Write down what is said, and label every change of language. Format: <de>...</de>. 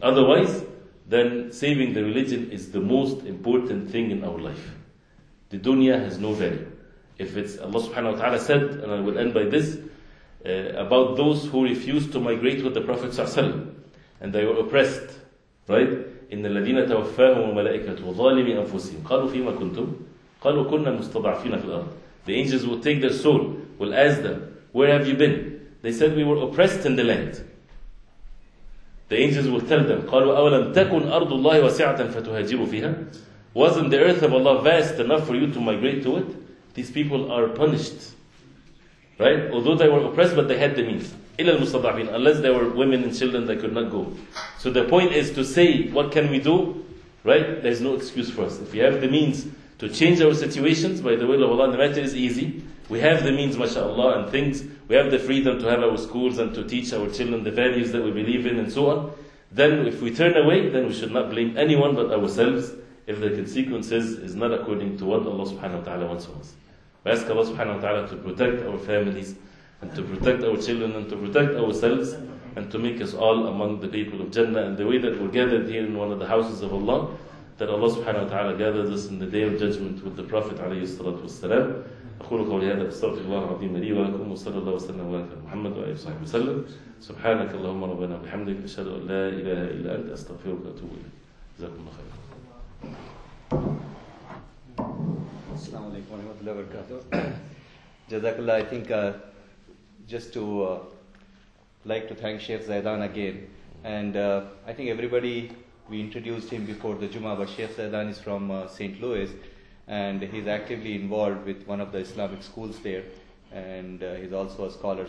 <en>Otherwise, then saving the religion is the most important thing in our life. The dunya has no value. If it's Allah subhanahu wa ta'ala said, and I will end by this, about those who refused to migrate with the Prophet sallallahu alaihi wasallam, and they were oppressed, right?</en> <ar>إن الذين توفاهم الملائكة وظالمي أنفسهم قالوا فيما كنتم قالوا كنا مستضعفين في الأرض.</ar> <en>The angels will take their soul, will ask them, where have you been? They said, we were oppressed in the land. The angels will tell them,</en> <ar>قالوا أولم تكن أرض الله واسعة فتهاجروا فيها.</ar> <en>Wasn't the earth of Allah vast enough for you to migrate to it? These people are punished, right? Although they were oppressed, but they had the means. Unless there were women and children that could not go. So the point is to say, what can we do? Right? There's no excuse for us. If we have the means to change our situations, by the will of Allah, the matter is easy. We have the means, mashallah, and things. We have the freedom to have our schools and to teach our children the values that we believe in and so on. Then if we turn away, then we should not blame anyone but ourselves if the consequences is not according to what Allah subhanahu wa ta'ala wants from us. We ask Allah subhanahu wa ta'ala to protect our families, and to protect our children, and to protect ourselves, and to make us all among the people of Jannah. And the way that we're gathered here in one of the houses of Allah, that Allah subhanahu wa ta'ala gathers us in the Day of Judgment with the Prophet alayhi salatu wassalam.</en> <ar>أقول قولي هذا استغفر الله العظيم لي ولكم وصلى الله وسلم وبارك على محمد وعلى اله وصحبه وسلم سبحانك اللهم ربنا وبحمدك اشهد ان لا اله الا انت استغفرك واتوب اليك جزاكم الله خيرا. السلام عليكم ورحمه الله وبركاته. جزاك الله.</ar> <en>I think just to like to thank Sheikh Zidan again, and I think everybody, we introduced him before the Jummah, but Sheikh Zidan is from St. Louis. And he's actively involved with one of the Islamic schools there, and he's also a scholar.</en>